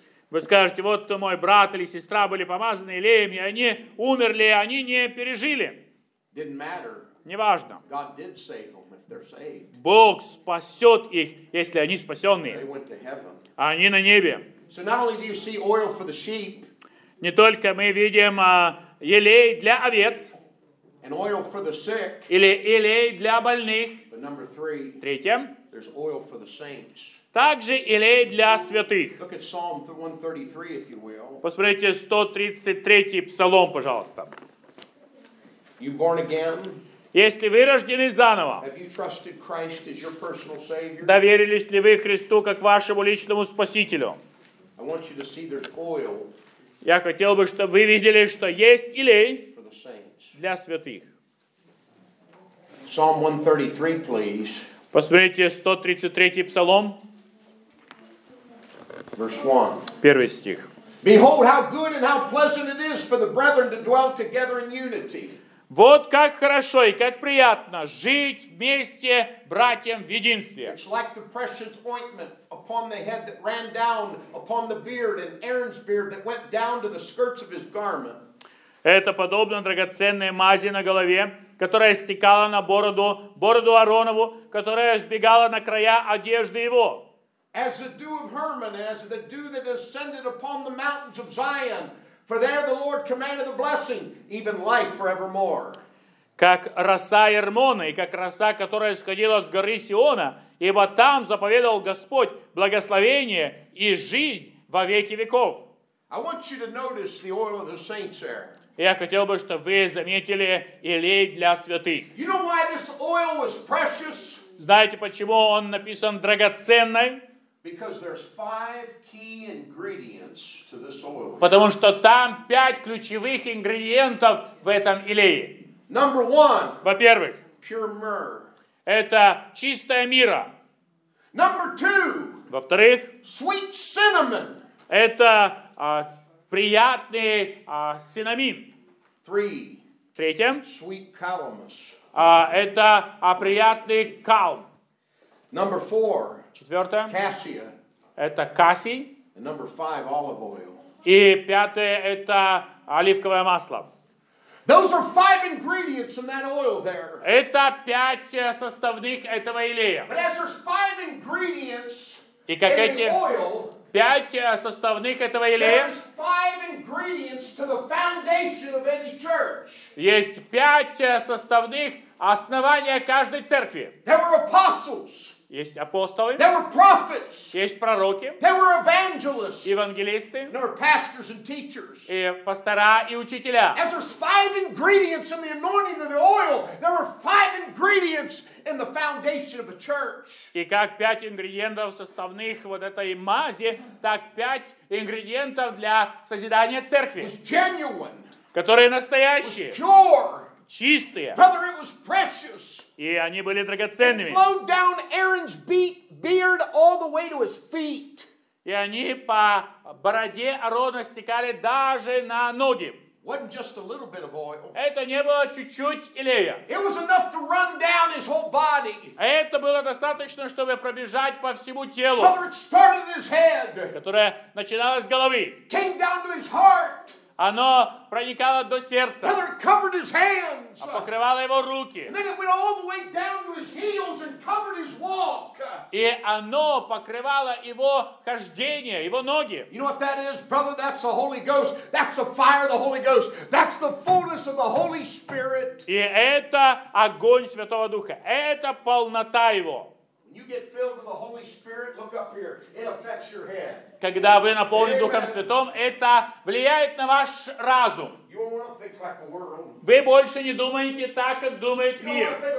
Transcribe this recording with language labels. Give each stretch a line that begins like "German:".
Russian: Вы скажете, вот мой брат или сестра были помазаны елеем, и они умерли, и они не пережили.
English: Didn't matter.
Russian: Неважно.
English: God did save them if they're saved.
Russian: Бог спасет их, если они спасенные.
English: They went to heaven.
Russian: Они на небе.
English: So not only do you see oil for the sheep,
Russian: не только мы видим елей для овец,
English: and oil for the sick,
Russian: или елей для больных,
English: but number three,
Russian: третье,
English: there's oil for the saints.
Russian: Также елей для святых.
English: Look at Psalm 133, if you will.
Russian: Посмотрите 133-й псалом, пожалуйста.
English: You born again?
Russian: Если вы рождены заново,
English: have you trusted Christ as your personal savior?
Russian: Доверились ли вы Христу как вашему личному спасителю?
English: I want you to see there's oil.
Russian: Я хотел бы, чтобы вы видели, что есть елей для святых.
English: Psalm 133, please.
Russian: Посмотрите 133-й псалом.
English: Verse 1.
Russian: Первый стих.
English: Behold how good and how pleasant it is for the brethren to dwell together in unity.
Russian: Вот как хорошо и как приятно жить вместе братьям в единстве.
English: It's like the precious ointment upon the head that ran down upon the beard and Aaron's beard that went down to the skirts of his garment.
Russian: Это подобно драгоценной мази на голове, которая стекала на бороду, бороду Ааронову, которая сбегала на края одежды его.
English: As the dew of Hermon, as the dew that descended upon the mountains of Zion. For there the Lord commanded the blessing, even life forevermore.
Russian: Как роса Ермона, и как роса, которая сходила с горы Сиона, ибо там заповедовал Господь благословение и жизнь во веки веков.
English: I want you to notice the oil of the saints there.
Russian: Я хотел бы, чтобы вы заметили елей для святых.
English: You know why this oil was precious?
Russian: Знаете, почему он написан драгоценной?
English: Because there's five key ingredients to this oil.
Russian: Потому что там пять ключевых ингредиентов в этом елее.
English: Number one.
Russian: Во-первых.
English: Pure myrrh.
Russian: Это чистая мира.
English: Number two.
Russian: Во-вторых.
English: Sweet cinnamon.
Russian: Это приятный синамин.
English: Three.
Russian: Третье.
English: Sweet calamus.
Russian: Это приятный калм.
English: Number four.
Russian: Четвертое.
English: Cassia.
Russian: Это кассий.
English: And number five, olive oil.
Russian: И пятое, это оливковое масло.
English: Those are five ingredients in that oil there.
Russian: Это пять составных этого елея.
English: But as there's five ingredients
Russian: и как
English: in
Russian: эти
English: oil,
Russian: пять составных этого елея,
English: there's five ingredients to the foundation of any church.
Russian: Есть пять составных основания каждой церкви.
English: There were apostles.
Russian: Есть апостолы.
English: There were prophets.
Russian: Есть пророки.
English: There were evangelists.
Russian: Евангелисты.
English: There were pastors and teachers.
Russian: И пастора и учителя.
English: As there's five ingredients in the anointing of the oil, there were five ingredients in the foundation of a church.
Russian: И как пять ингредиентов составных вот этой мази, так пять ингредиентов для созидания церкви.
English: Was genuine.
Russian: Которые настоящие.
English: Was pure.
Russian: Чистые.
English: Brother, it was precious.
Russian: И они были драгоценными.
English: It flowed down Aaron's beard all the way to his feet.
Russian: И они по бороде Аарона стекали даже на ноги.
English: Wasn't just a little bit of oil.
Russian: Это не было чуть-чуть елея.
English: It was enough to run down his whole body.
Russian: Это было достаточно, чтобы пробежать по всему телу.
English: Brother, it started his head.
Russian: Которое начиналось с головы.
English: Came down to his heart.
Russian: Оно проникало до сердца.
English: Brother, it covered his hands.
Russian: Покрывало его руки.
English: And then it went all the way down to his heels and covered his walk.
Russian: И оно покрывало его хождение, его ноги.
English: You know what that is, brother? That's the Holy Ghost. That's the fire of the Holy Ghost. That's the fullness of the Holy Spirit.
Russian: И это огонь Святого Духа. Это полнота его.
English: You get filled with the Holy Spirit, look up here. It affects your head.
Russian: Когда вы наполнены Духом Святым, это влияет на ваш разум. Вы больше не думаете так, как думает мир.